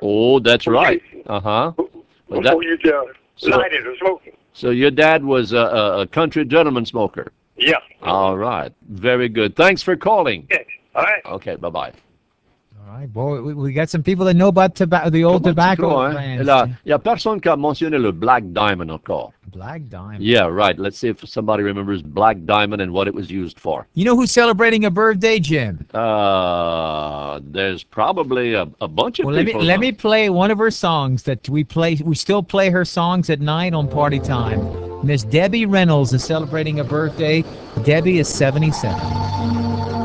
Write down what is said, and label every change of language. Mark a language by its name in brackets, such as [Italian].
[English] Oh, that's right. Uh-huh. Before that, you'd light it or smoke it. So your dad was a country gentleman smoker? Yeah. All right. Very good. Thanks for calling. Okay. All right. Okay, bye-bye. All right, boy, we got some people that know about the old tobacco. [French] Il y a personne qui a mentionné le Black Diamond encore. [English] Black Diamond. Yeah, right. Let's see if somebody remembers Black Diamond and what it was used for. You know who's celebrating a birthday, Jim? There's probably a bunch of people. Well, let me play one of her songs that we play. We still play her songs at night on Party Time. Miss Debbie Reynolds is celebrating a birthday. Debbie is 77.